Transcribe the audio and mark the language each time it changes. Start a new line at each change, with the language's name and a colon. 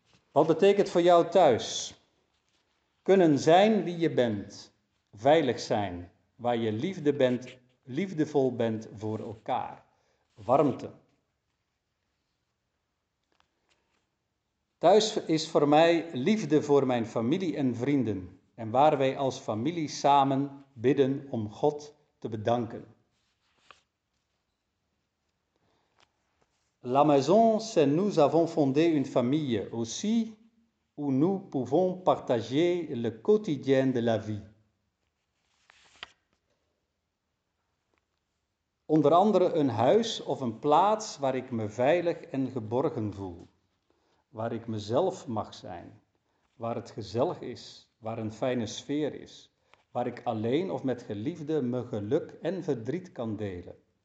Dutch: Wat betekent voor jou thuis? Kunnen zijn wie je bent, veilig zijn, waar je liefde bent, liefdevol bent voor elkaar. Warmte. Thuis is voor mij liefde voor mijn familie en vrienden en waar wij als familie samen bidden om God te bedanken.
French: La maison, c'est nous avons fondé une famille aussi où nous pouvons partager le quotidien de la vie.
Dutch: Onder andere een huis of een plaats waar ik me veilig en geborgen voel. Waar ik mezelf mag zijn. Waar het gezellig is. Waar een fijne sfeer is. Waar ik alleen of met geliefden mijn geluk en verdriet kan delen.